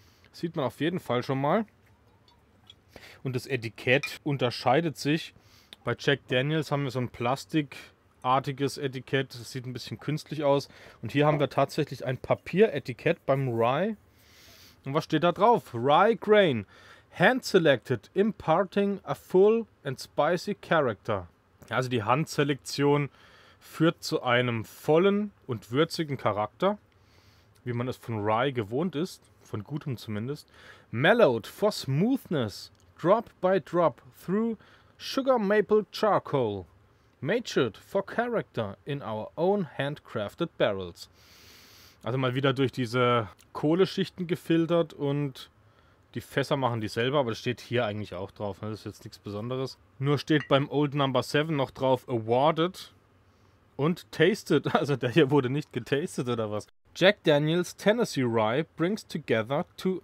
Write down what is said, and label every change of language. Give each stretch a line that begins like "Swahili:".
German: Das sieht man auf jeden Fall schon mal. Und das Etikett unterscheidet sich. Bei Jack Daniels haben wir so ein plastikartiges Etikett. Das sieht ein bisschen künstlich aus. Und hier haben wir tatsächlich ein Papieretikett beim Rye. Und was steht da drauf? Rye Grain.
English: Hand-selected, imparting a full and spicy character.
German: Also die Handselektion führt zu einem vollen und würzigen Charakter, wie man es von Rye gewohnt ist, von gutem zumindest.
English: Mellowed for smoothness, drop by drop through sugar maple charcoal. Matured for character in our own handcrafted barrels.
German: Also mal wieder durch diese Kohleschichten gefiltert und die Fässer machen die selber, aber das steht hier eigentlich auch drauf. Das ist jetzt nichts Besonderes. Nur steht beim Old Number 7 noch drauf Awarded und Tasted. Also der hier wurde nicht getastet oder was.
English: Jack Daniels Tennessee Rye brings together two...